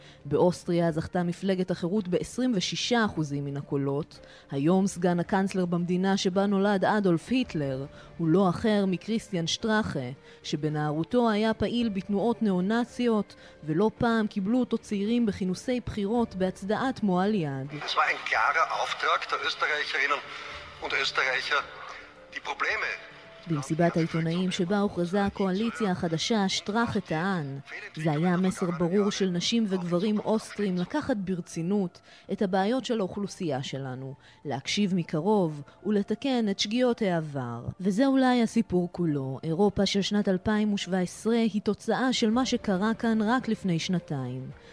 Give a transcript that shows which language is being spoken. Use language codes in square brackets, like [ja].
[he] באוסטריה זכתה מפלגת החירות ב-26% מן הקולות. היום סגן הקנצלר במדינה שבה נולד אדולף היטלר הוא לא אחר מקריסטיאן שטראכה, שבנערותו היה פעיל בתנועות נאונציות, ולא פעם קיבלו אותו צעירים בכינוסי בחירות בהצדעת מועל יד. [de] Es war ein klarer Auftrag der Österreicherinnen und Österreicher, die Probleme. [he] במסיבת העיתונאים שבה הוכרזה הקואליציה החדשה, שטראך את הען. זה היה מסר ברור של נשים וגברים אוסטרים לקחת ברצינות את הבעיות של האוכלוסייה שלנו, להקשיב מקרוב ולתקן את שגיאות העבר. וזה אולי הסיפור כולו. אירופה של שנת 2017 היא תוצאה של מה שקרה כאן רק לפני שנתיים.